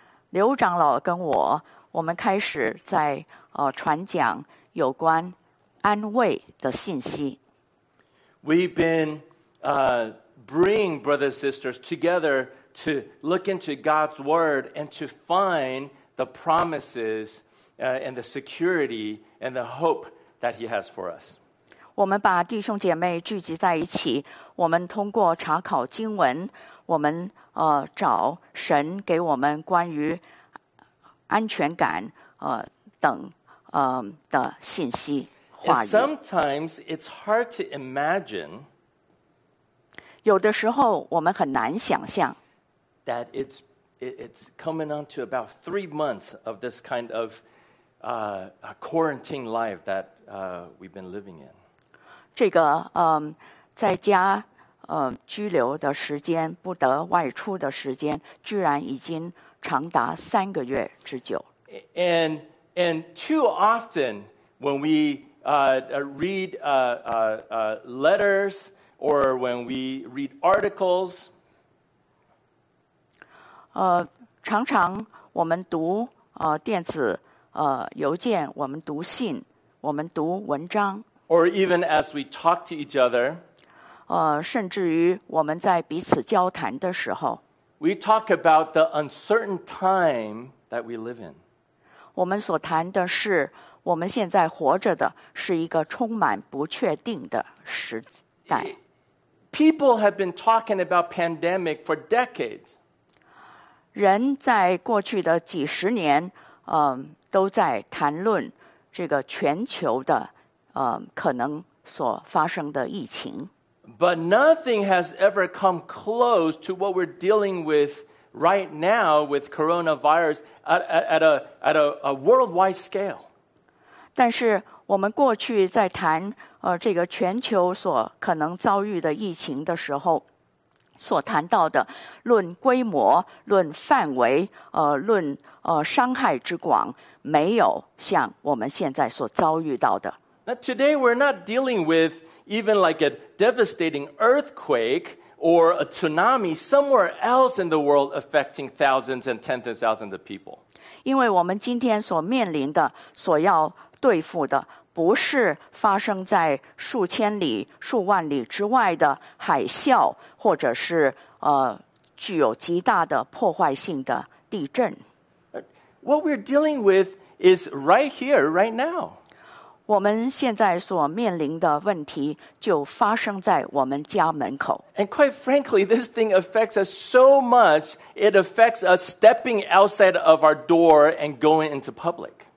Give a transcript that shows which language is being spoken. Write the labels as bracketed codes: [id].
[zh] 刘长老跟我，我们开始在传讲有关安慰的信息。 [en] We've been bringing brothers and sisters together to look into God's word and to find the promises and the security and the hope that He has for us. [zh] 我们把弟兄姐妹聚集在一起，我们通过查考经文，我们找神给我们关于安全感等的信息话语。 [en] Sometimes it's hard to imagine. [zh] 有的时候我们很难想象。 [en] That it's coming on to about 3 months of this kind of a quarantine life that we've been living in. [zh] 这个在家居留的时间，不得外出的时间，居然已经长达三个月之久。 [en] And too often when we read letters or when we read articles, [zh] 常常我们读电子邮件，我们读信，我们读文章。 [en] Or even as we talk to each other, [zh] 甚至于我们在彼此交谈的时候 [en] ，we talk about the uncertain time that we live in. [zh] 我们所谈的是我们现在活着的是一个充满不确定的时代。 [en] People have been talking about pandemic for decades. [zh] 人在过去的几十年，都在谈论这个全球的。可能所发生的疫情。 [en] But nothing has ever come close to what we're dealing with right now with coronavirus at a worldwide scale. [zh] 但是我们过去在谈这个全球所可能遭遇的疫情的时候，所谈到的论规模、论范围、论伤害之广，没有像我们现在所遭遇到的。 [en] But today we're not dealing with even like a devastating earthquake or a tsunami somewhere else in the world affecting thousands and tens of thousands of people. [zh] 因为我们今天所面临的、所要对付的，不是发生在数千里、数万里之外的海啸，或者是具有极大的破坏性的地震。 [en] What we're dealing with is right here, right now. [zh] 我们现在所面临的问题就发生在我们家门口。 [en] And quite frankly, this thing affects us so much, it affects us stepping outside of our door and going into public.